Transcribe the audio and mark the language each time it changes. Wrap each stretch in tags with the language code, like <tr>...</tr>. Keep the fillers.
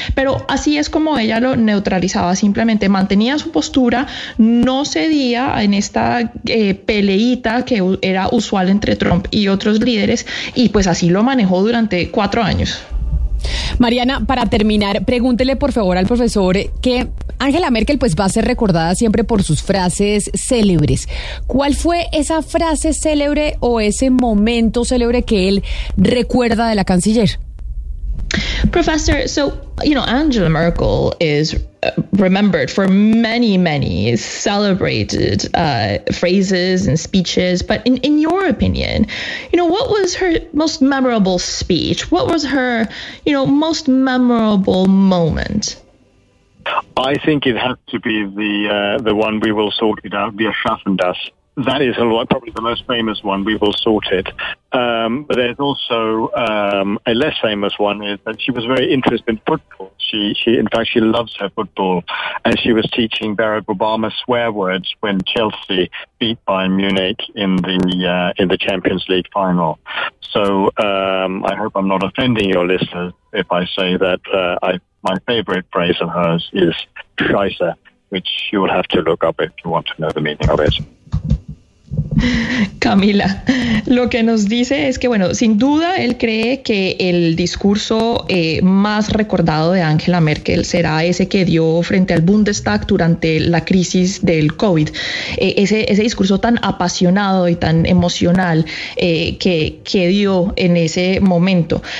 <es>Pero así es como ella lo neutralizaba, simplemente mantenía su postura, no cedía en esta peleíta eh, peleita que era usual entre Trump y otros líderes y pues así lo manejó durante cuatro años. Mariana, para terminar, pregúntele por favor al profesor que Angela Merkel pues va a ser recordada siempre por sus frases célebres. ¿Cuál fue esa frase célebre o ese momento célebre que él recuerda de la canciller?</es> <en>Professor, so, you know, Angela Merkel is remembered for many, many celebrated uh, phrases and speeches. But in, in your opinion, you know, what was her most memorable speech? What was her, you know, most memorable moment? I think it has to be the uh, the one we will sort it out, the Aschaffendas that is lot, probably the most famous one. We will sort it. Um, but there's also um, a less famous one is that she was very interested in football. She, she, in fact, she loves her football. And she was teaching Barack Obama swear words when Chelsea beat Bayern Munich in the, uh, in the Champions League final. So um, I hope I'm not offending your listeners if I say that uh, I, my favorite phrase of hers is Scheiße, which you will have to look up if you want to know the meaning of it.</en> <es>Camila, lo que nos dice es que, bueno, sin duda él cree que el discurso eh, más recordado de Angela Merkel será ese que dio frente al Bundestag durante la crisis del COVID. Eh, ese, ese discurso tan apasionado y tan emocional eh, que, que, dio en ese momento.</es>